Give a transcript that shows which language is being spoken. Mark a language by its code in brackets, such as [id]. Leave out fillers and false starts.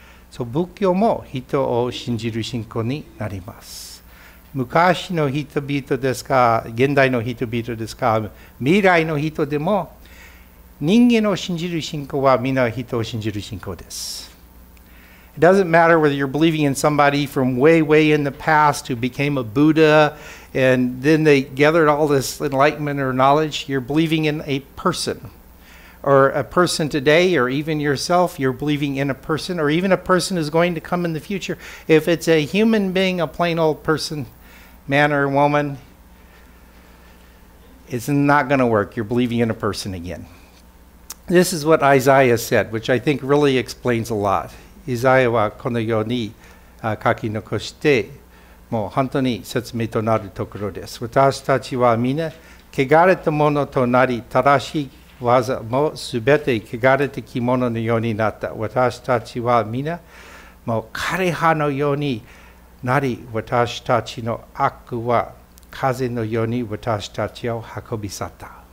[ja] そう、仏教も人を信じる信仰になります。昔の人々ですか、現代の人々ですか、未来の人でも、人間を信じる信仰はみんな人を信じる信仰です。 [en] It doesn't matter whether you're believing in somebody from way, way in the past who became a Buddha and then they gathered all this enlightenment or knowledge. You're believing in a person. Or a person today, or even yourself, you're believing in a person, or even a person who's going to come in the future. If it's a human being, a plain old person, man or woman, it's not going to work. You're believing in a person again. This is what Isaiah said, which I think really explains a lot. [ja] Isaiah はこのように書き残して、もう本当に説明となるところです。私たちはみんな、汚れたものとなり、正しい技もすべて汚れた着物のようになった。私たちはみんな、もう枯葉のようになり、私たちの悪は風のように私たちを運び去った。